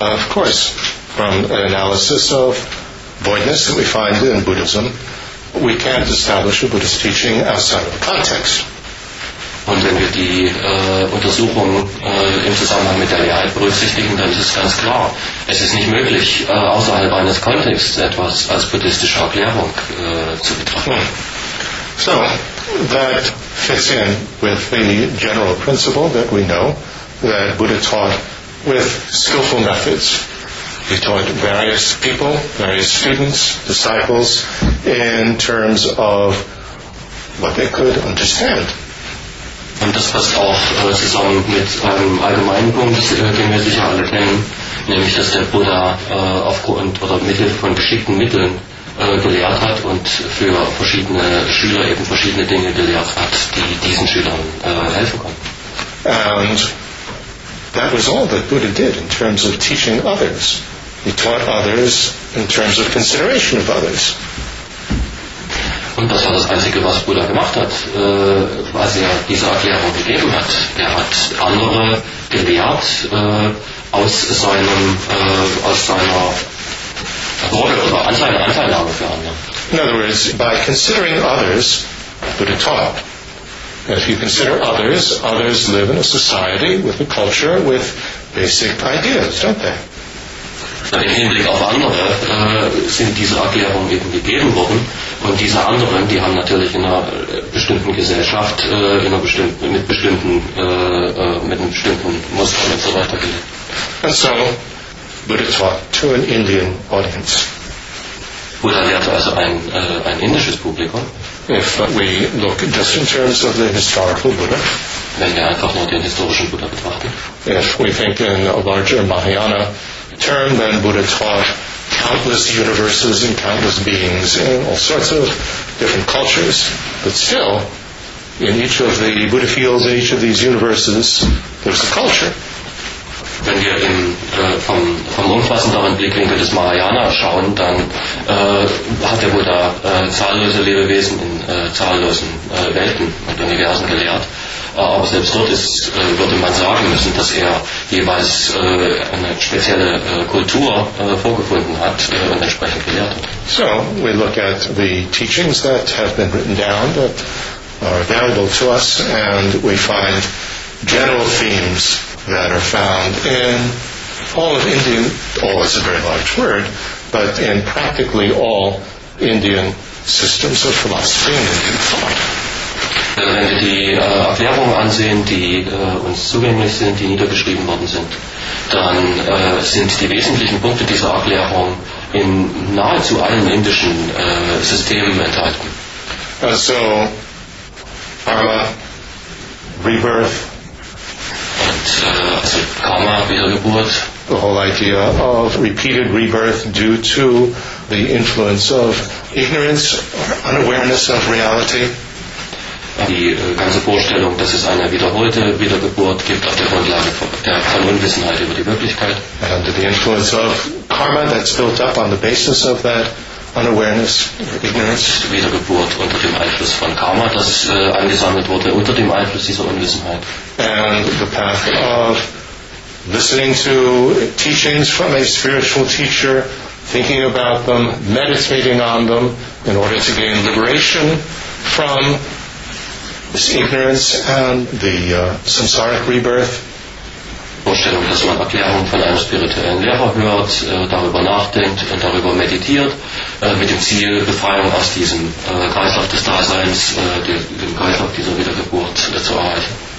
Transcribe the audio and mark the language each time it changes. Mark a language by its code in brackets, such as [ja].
[en] And of course, from an analysis of voidness that we find in Buddhism, we can't establish a Buddhist teaching outside of a context. [de] Und wenn wir die Untersuchung im Zusammenhang mit der Lehre berücksichtigen, dann ist es ganz klar, es ist nicht möglich, außerhalb eines Kontexts etwas als buddhistische Erklärung zu betrachten. [en] So, that fits in with the general principle that we know, that Buddha taught with skillful methods. He taught various people, various students, disciples, in terms of what they could understand. [de] Und das passt auch zusammen mit einem allgemeinen Punkt, den wir sicher alle kennen, nämlich dass der Buddha aufgrund oder mittel von geschickten Mitteln gelehrt hat und für verschiedene Schüler eben verschiedene Dinge gelehrt hat, die diesen Schülern helfen konnten. [en] And that was all that Buddha did in terms of teaching others. He taught others in terms of consideration of others. [de] Und das war das Einzige, was Buddha gemacht hat, was er diese Erklärung gegeben hat. Er hat andere gelehrt aus seiner Sorge oder an seiner Anteilnahme für andere. [en] In other words, by considering others, Buddha taught. If you consider others, others live in a society with a culture with basic ideas, don't they? [de] Im Hinblick auf andere sind diese Erklärungen eben gegeben worden. Und diese anderen, die haben natürlich in einer bestimmten Gesellschaft, mit einem bestimmten Muster und so weiter gelebt. [en] And so, Buddha taught to an Indian audience. [de] Buddha lehrte also ein indisches Publikum. [en] If we look just in terms of the historical Buddha, [de] wenn wir einfach nur den historischen Buddha betrachten, [en] if we think in a larger Mahayana term, then Buddha taught countless universes and countless beings in all sorts of different cultures, but still, in each of the Buddha fields, in each of these universes, there's a culture. [de] Wenn wir vom umfassenderen Blickwinkel des Mahayana schauen, dann hat der Buddha zahllose Lebewesen in zahllosen Welten und Universen gelehrt. Aber selbst dort würde man sagen müssen, dass er jeweils eine spezielle Kultur vorgefunden hat und entsprechend gelehrt hat. [en] So, we look at the teachings that have been written down, that are available to us, and we find general themes that are found in all of Indian, all is a very large word, but in practically all Indian systems of philosophy and Indian thought. [de] Wenn wir die Erklärungen ansehen, die uns zugänglich sind, die niedergeschrieben worden sind, dann sind die wesentlichen Punkte dieser Erklärung in nahezu allen indischen Systemen enthalten. [en] Also, Karma, Rebirth, [de] also Karma, Wiedergeburt. [en] The whole idea of repeated rebirth due to the influence of ignorance or unawareness of reality. [de] Die ganze Vorstellung, dass es eine wiederholte Wiedergeburt gibt auf der Grundlage von Unwissenheit über die Wirklichkeit. [en] And the influence of karma that's built up on the basis of that unawareness or ignorance. [de] Und Wiedergeburt unter dem Einfluss von Karma, das angesammelt wurde unter dem Einfluss dieser Unwissenheit. [en] And the path of listening to teachings from a spiritual teacher, thinking about them, meditating on them in order to gain liberation from this ignorance and the samsaric rebirth. [de] Vorstellung, dass man Erklärungen von einem spirituellen Lehrer hört, darüber nachdenkt und darüber meditiert, mit dem Ziel, Befreiung aus diesem Kreislauf des Daseins, dem Kreislauf dieser Wiedergeburt zu erreichen.